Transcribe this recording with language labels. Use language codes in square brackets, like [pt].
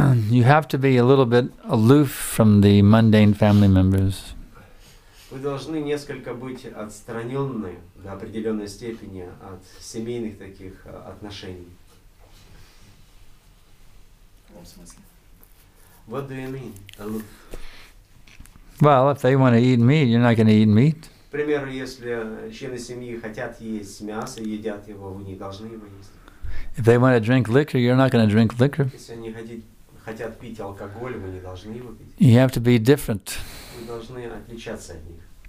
[en] You have to be a little bit aloof from the mundane family members. [ru] Вы должны несколько быть отстранённы до определённой степени от семейных таких отношений. В каком смысле? [en] What do you mean, aloof? Well, if they want to eat meat, you're not going to eat meat. [ru] К примеру, если члены семьи хотят есть мясо, едят его, вы не должны его есть. [en] If they want to drink liquor, you're not going to drink liquor. [ru] Если они хотят пить алкоголь, вы не должны его пить. [en] You have to be different. [ru] Вы должны отличаться от них.